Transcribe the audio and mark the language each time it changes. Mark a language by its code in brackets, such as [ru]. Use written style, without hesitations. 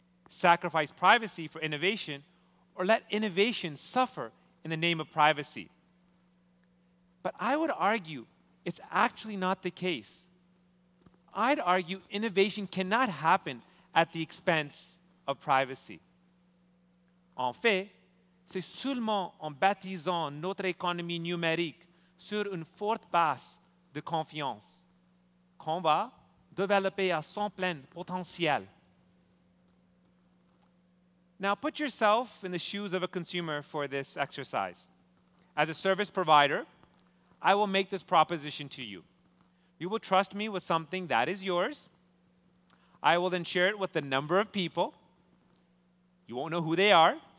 [en] Sacrifice privacy for innovation, or let innovation suffer in the name of privacy. But I would argue it's actually not the case. I'd argue innovation cannot happen at the expense of privacy. [fr] En fait, c'est seulement en bâtissant notre économie numérique sur une forte base de confiance qu'on va développer à son plein potentiel. [en] Now put yourself in the shoes of a consumer for this exercise. As a service provider, I will make this proposition to you. You will trust me with something that is yours. I will then share it with a number of people. You won't know who they are.